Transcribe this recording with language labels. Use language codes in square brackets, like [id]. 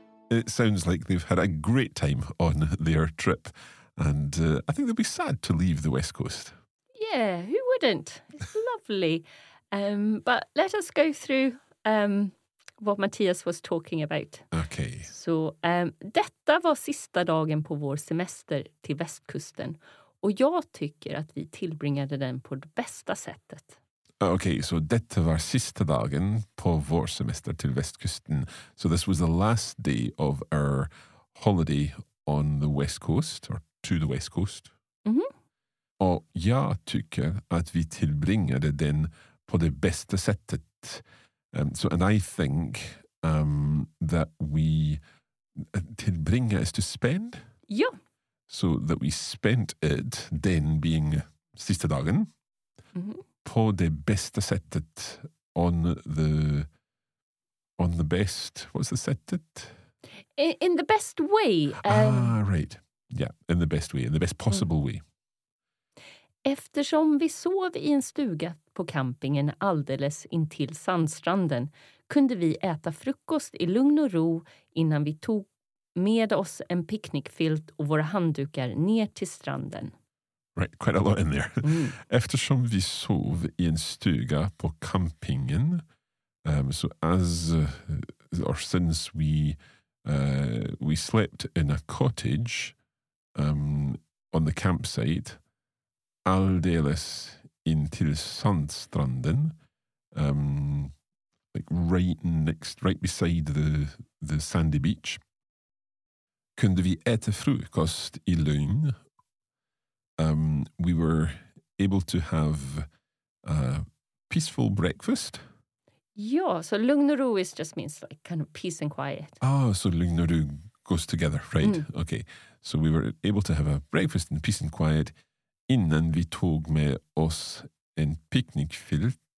[en] It sounds like they've had a great time on their trip. And I think they'll be sad to leave the west coast. Yeah, who wouldn't? It's lovely. But let us go through what Matthias was talking about. Okay. [sv] So, detta var sista dagen på vår semester till västkusten. Och jag tycker att vi tillbringade den på det bästa sättet. Okay, so detta var sista dagen på vår semester till västkusten. [en] So this was the last day of our holiday on the west coast, or to the west coast. Mm-hmm. [sv] Och jag tycker att vi tillbringade den på det bästa sättet. [en] And I think that we tillbringa is to spend. Yeah. So that we spent it, then being [sv] sista dagen, [en] mm-hmm. [sv] på det bästa sättet, [en] on the best. What's the sättet? In the best way. Right. Yeah, in the best way, in the best possible way. [sv] Eftersom vi sov i en stuga på campingen alldeles intill sandstranden kunde vi äta frukost i lugn och ro innan vi tog med oss en picknickfilt och våra handdukar ner till stranden. [en] Right, quite a lot in there. [sv] Mm. Eftersom vi sov i en stuga på campingen, [en] so as or since we we slept in a cottage on the campsite, [sv] alldeles intill sandstranden, [en] like right next, right beside the sandy beach. [sv] Kunde vi äta frukost I lugn? [en] We were able to have a peaceful breakfast. Yeah, so lugn och ro is just means like kind of peace and quiet. Oh, so lugn och ro goes together, right? Mm. Okay, so we were able to have a breakfast in peace and quiet [sv] innan vi tog med oss en picnicfilt.